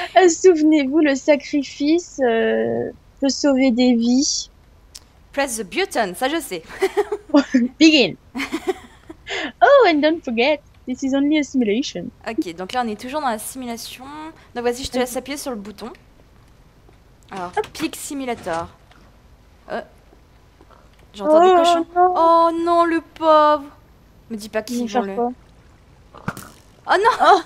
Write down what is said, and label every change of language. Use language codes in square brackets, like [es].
[fr] Souvenez-vous, le sacrifice peut sauver des vies. [en] Press the button, [fr] ça je sais. [en] Begin. Oh, and don't forget, this is only a simulation. [fr] Ok, donc là on est toujours dans la simulation. Donc vas-y, je te laisse appuyer sur le bouton. Alors, [en] pick simulator. [fr] Oh. J'entends des cochons. Non. Oh non, le pauvre. Me dis pas qui il vient le... Oh non.